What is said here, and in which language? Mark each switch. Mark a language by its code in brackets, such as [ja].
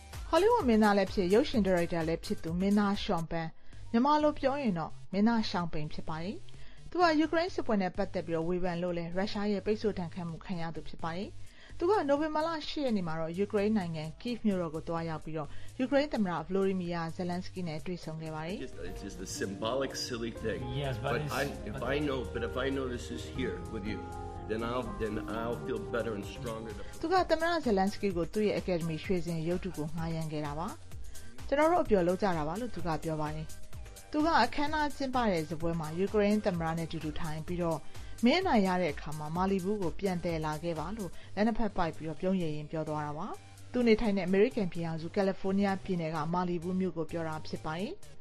[my] ဟောလိဝုဒ်မင်းသားလည်းဖြစ်ရုပ်ရှင်ဒါရိုက်တာလည်းဖြစ်သူမင်းသားရှောင်ပန်မြန်မာလိုပြောရင်တော့မင်းသားရှောင်ပန်ဖြစ်ပါတယ်သူကယူကရိန်းစစ်ပွဲနဲ့ပတ်သက်ပြီးတော့ဝေဖန်လို့လဲရုရှားရဲ့ပိတ်ဆို့တံခါးမှုခံရသူဖြစ်ပါတယ်သူကနိုဗ ెంబర్ 6ရက်နေ့မှာတော့ယူကရိန်းနိုင်ငံကီးဖ်မြို့တော်ကိုသွားရောက်ပြီးတော့ယူကရိန်းသမ္မတဗလိုဒီမီယာဇယ်လန်စကီနဲ့တွေ့ဆုံခဲ့ပါတယ်. [en] It is the symbolic silly thing. Yes, but if I know this is here with you, then I'll feel better and stronger. [my] သူကသမ္မတဇယ်လန်စကီကိုသူ့ရဲ့အကယ်ဒမီရွှေစင်ရုပ်တုကိုငှားရမ်းခဲ့တာပါ။ကျွန်တော်တို့အပြော်လုပ်ကြတာပါလို့သူကပြောပါတယ်။သူကအခမ်းအနားကျင်းပတဲ့ဇပွဲမှာယူကရိန်းသမ္မတနဲ့တူတူထိုင်ပြီးတော့မင်းနိုင်ရတဲ့အခါမှာမာလီဘူးကိုပြန်တယ်လာခဲ့ပါလို့လက်နက်ဖက်ပိုက်ပြီးတော့ပြုံးရရင်ပြောသွားတာပါ။သူနေထိုင်တဲ့ American ပြည်အစု California ပြည်နယ်ကမာလီဘူးမြို့ကိုပြောတာဖြစ်ပါရင်